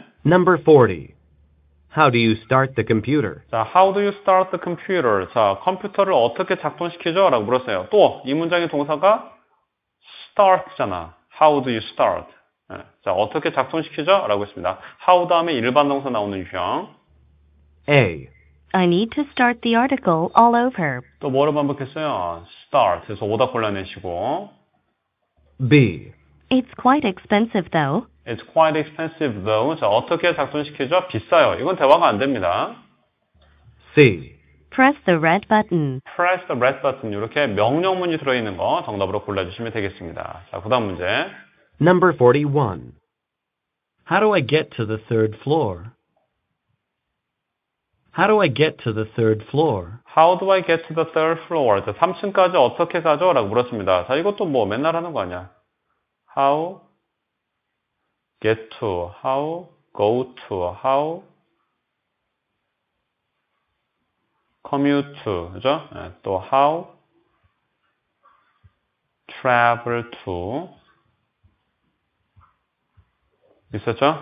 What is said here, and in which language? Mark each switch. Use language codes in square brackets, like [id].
[en] Number 40. How do you start the computer? 자, how do you start the computer? [ko] 자, 컴퓨터를 어떻게 작동시키죠? 라고 물었어요. 또, 이 문장의 동사가 start잖아. [en] How do you start? [ko] 자, 어떻게 작동시키죠? 라고 했습니다. How 다음에 일반 동사 나오는 유형. [en] A. I need to start the article all over. [ko] 또 뭐로 반복했어요? Start. 그래서 오답 골라내시고. [en] B. It's quite expensive though. It's quite expensive though. [ko] 자, 어떻게 작동시키죠? 비싸요. 이건 대화가 안 됩니다. [en] C. Press the red button. Press the red button. [ko] 이렇게 명령문이 들어있는 거 정답으로 골라주시면 되겠습니다. 자, 그 다음 문제. [en] Number 41. How do I get to the third floor? How do I get to the third floor? How do I get to the third floor? [ko] 자, 3층까지 어떻게 가죠? 라고 물었습니다. 자, 이것도 뭐 맨날 하는 거 아니야. How get to, how go to, how commute to, 그죠? 네, 또 how travel to, 있었죠?